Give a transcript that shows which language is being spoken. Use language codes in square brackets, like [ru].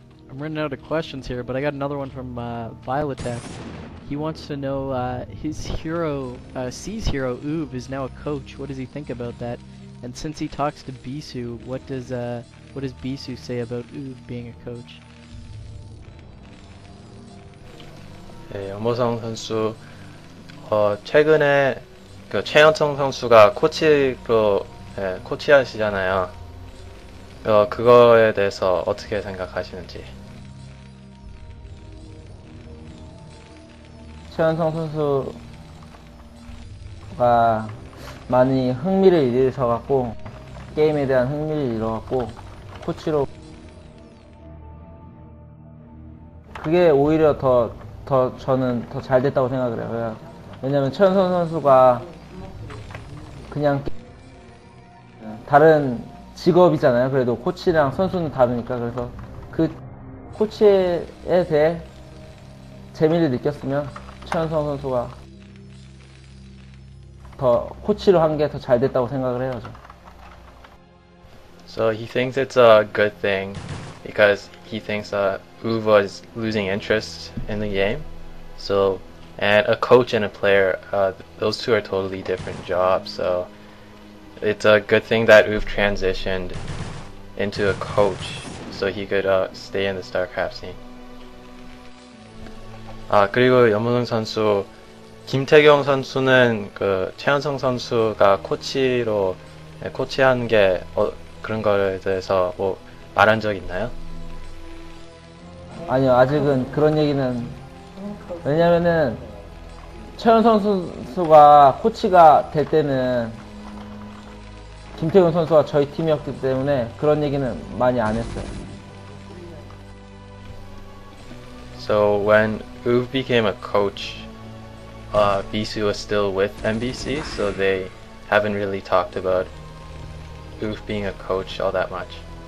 [en] I'm running out of questions here, but I got another one from Violetech. He wants to know his hero, C's hero, Uv, is now a coach. What does he think about that? And since he talks to Bisu, what does Bisu say about Uv being a coach? [ko] 네, 염보성 선수 최근에 그 최연청 선수가 코치로 예, 코치하시잖아요. 그거에 대해서 어떻게 생각하시는지. 최연청 선수가 많이 흥미를 잃어서 갖고 게임에 대한 흥미를 잃어 갖고 코치로 그게 오히려 더 저는 더 잘 됐다고 생각을 해요. 왜냐면 최연선 선수가 그냥 다른 직업이잖아요. 그래도 코치랑 선수는 다르니까 그래서 그 코치에 대해 재미를 느꼈으면 최연선 선수가 더 코치로 한 게 더 잘 됐다고 생각을 해요. [en] So he thinks it's a good thing because he thinks Uv was losing interest in the game. So, and a coach and a player, those two are totally different jobs. So it's a good thing that Uv transitioned into a coach so he could stay in the StarCraft scene. [ko] 아, 그리고 염보성 선수 김태경 선수는 그 최연성 선수가 코치로 코치하는 게 그런 거에 대해서 뭐 말한 적 있나요? 아니요, 아직은 그런 얘기는 왜냐면은 최연성 선수가 코치가 될 때는 김태경 선수가 저희 팀이었기 때문에 그런 얘기는 많이 안 했어요. [en] So when Uv became a coach, Bisu was still with MBC, so they haven't really talked about Uv being a coach all that much.